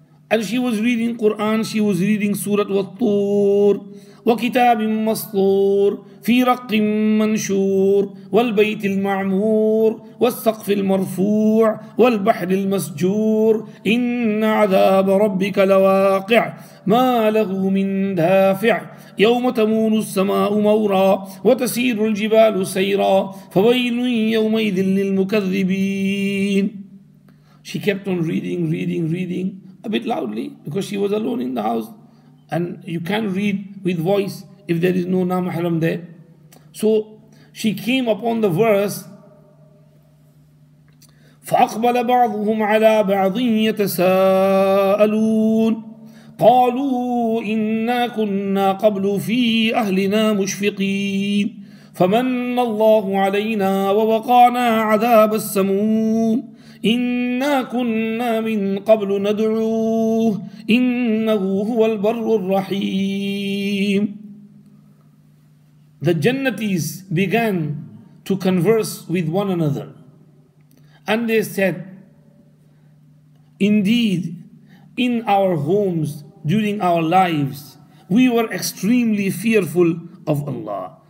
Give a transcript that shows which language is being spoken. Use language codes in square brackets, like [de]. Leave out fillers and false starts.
[en] And she was reading Quran, she was reading Surah Al-Tur, [ar] wa kitabim maslur, fi raqim manshur, wal bayt al-ma'mur, wal saqf al-marfu', wal bahr al-masjur, inna azab rabbika lawaqi', ma lahu min dafi'. يوم تمور السماء مورا وتسير الجبال سيرا فويل يومئذ للمكذبين. [en] She kept on reading a bit loudly because she was alone in the house, and you can't read with voice if there is no namahram there. So she came upon the verse, [ar] فأقبل بعضهم على بعض يتساءلون قالوا إنا كنا قبل في أهلنا مشفقين فمن الله علينا ووقانا عذاب السموم إنا كنا من قبل ندعوه إنه هو البر الرحيم. [en] The Jannatis began to converse with one another, and they said, indeed, in our homes, during our lives, we were extremely fearful of Allah.